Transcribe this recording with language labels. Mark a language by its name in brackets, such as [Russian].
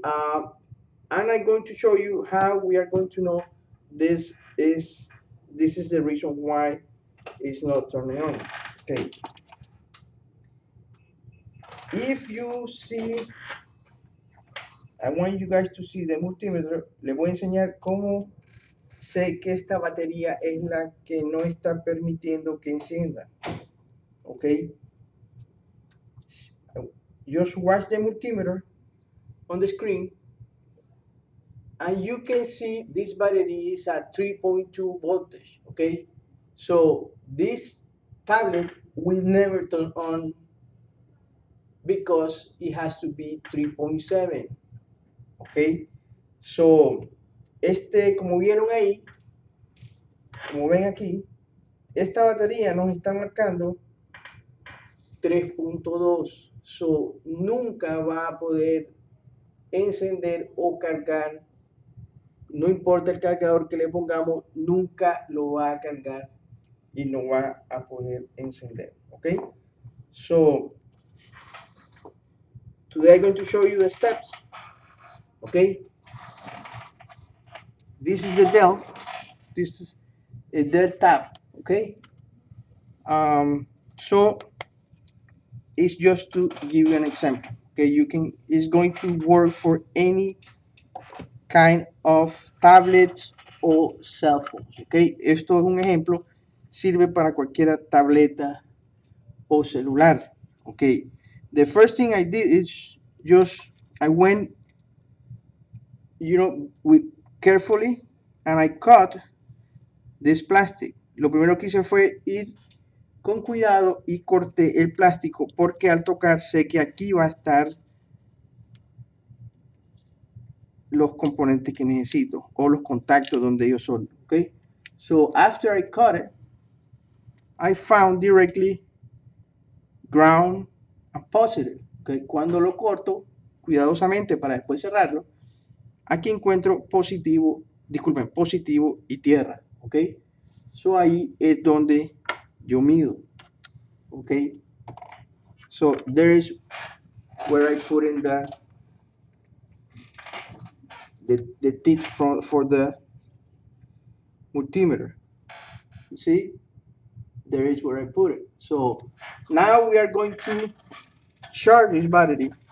[English] And I'm going to show you how we are going to know this is the reason why it's not turning on. Okay. If you see, I want you guys to see the multimeter. [Spanish] Le voy a enseñar cómo sé que esta batería es la que no está permitiendo que encienda. Ok. [English] Just watch the multimeter on the screen. And you can see this battery is at 3.2 voltage. Ok. So this tablet will never turn on, because it has to be 3.7, okay? [Spanish] So, como vieron ahí, como ven aquí, esta batería nos está marcando 3.2, so nunca va a poder encender o cargar, no importa el cargador que le pongamos, nunca lo va a cargar y no va a poder encender, okay? [English] So, today I'm going to show you the steps, okay? This is the Dell, this is a Dell tab, okay? So it's just to give you an example, okay? It's going to work for any kind of tablet o cell phone, okay? [Spanish] Esto es un ejemplo, sirve para cualquier tableta o celular, okay? [English] The first thing I did is just, I went, you know, with carefully, and I cut this plastic. [Spanish] Lo primero que hice fue ir con cuidado y corté el plástico, porque al tocar sé que aquí va a estar los componentes que necesito, o los contactos donde ellos son, okay? [English] So after I cut it, I found directly ground and positive. [Spanish] Okay, cuando lo corto cuidadosamente para después cerrarlo, aquí encuentro positivo y tierra. Ok, so ahí es donde yo mido. [English] Ok, so there is where I put in the tip for the multimeter. You see, there is where I put it. So now we are going to charge this battery.